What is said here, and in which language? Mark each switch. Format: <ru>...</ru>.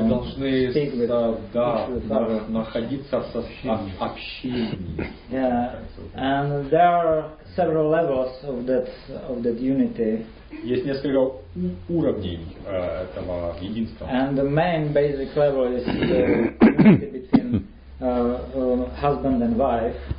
<ru>Мы должны</ru> <en>speak with</en> <ru>находиться в общении.</ru> <en>Yeah. And there are several levels of that unity.</en> <ru>Есть несколько уровней этого единства.</ru> <en>And the main basic level is the unity between husband and wife.</en>